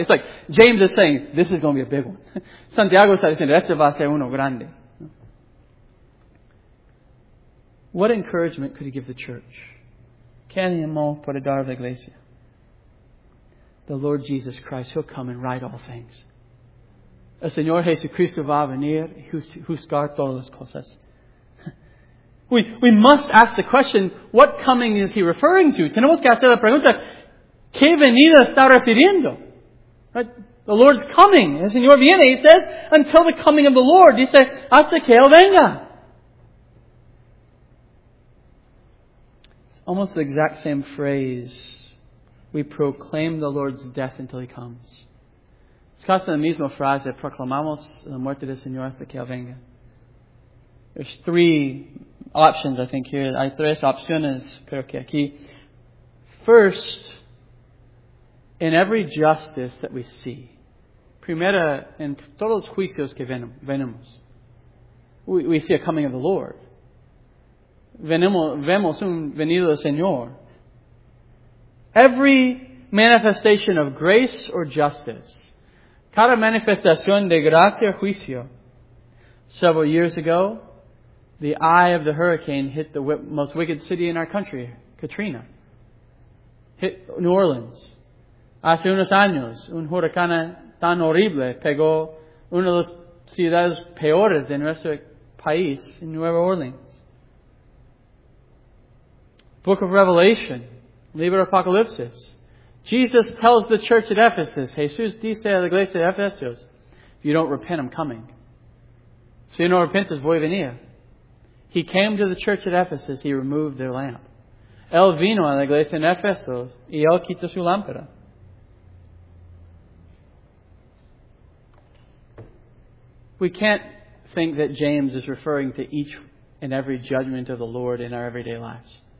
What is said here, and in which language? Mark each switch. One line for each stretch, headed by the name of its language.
English: It's like James is saying, this is going to be a big one.
Spanish: Santiago está diciendo, este va a ser uno grande.
English: What encouragement could He give the church?
Spanish: ¿Qué ánimo puede dar a la iglesia?
English: The Lord Jesus Christ, He'll come and right all things.
Spanish: El Señor Jesucristo va a venir y juzgar todas las cosas.
English: We must ask the question, what coming is He referring to?
Spanish: Tenemos que hacer la pregunta, ¿qué venida está refiriendo?
English: Right? The Lord's coming.
Spanish: El Señor viene,
English: He says, until the coming of the Lord.
Spanish: Dice, hasta que Él venga.
English: It's almost the exact same phrase. We proclaim the Lord's death until He comes.
Spanish: Es casi la misma frase, proclamamos la muerte del Señor hasta que Él venga.
English: There's three options, I think, here.
Spanish: Hay tres opciones, creo que aquí.
English: First, in every justice that we see,
Spanish: primera en todos los juicios que venimos,
English: we see a coming of the Lord.
Spanish: Vemos un venido del Señor.
English: Every manifestation of grace or justice,
Spanish: cada manifestación de gracia o juicio.
English: Several years ago, the eye of the hurricane hit the most wicked city in our country, Katrina. Hit New Orleans.
Spanish: Hace unos años, un huracán tan horrible pegó una de las ciudades peores de nuestro país, en Nueva Orleans.
English: Book of Revelation,
Spanish: Libro Apocalipsis.
English: Jesus tells the church at Ephesus,
Spanish: Jesús dice a la iglesia de Efesios,
English: if you don't repent, I'm coming.
Spanish: Si no repentes, voy a venir.
English: He came to the church at Ephesus, he removed their lamp.
Spanish: Él vino a la iglesia en Éfeso y él quitó su lámpara.
English: We can't think that James is referring to each and every judgment of the Lord in our everyday lives.